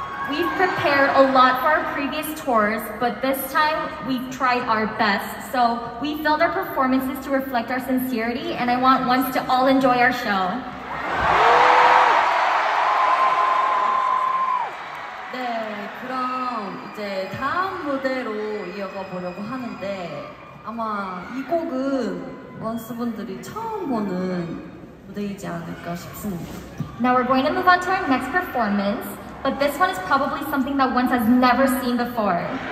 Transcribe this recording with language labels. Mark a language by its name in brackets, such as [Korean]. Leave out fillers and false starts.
[English] We've prepared a lot for our previous tours, but this time we've tried our best. So we filled our performances to reflect our sincerity, and I want once to all enjoy our show. [Korean] 네, 그럼 이제 다음 무대로 이어가 보려고 하는데 아마 이 곡은 원스 분들이 처음 보는 무대이지 않을까 싶습니다. [English] Now we're going to move on to our next performance. but this one is probably something that Wentz has never seen before.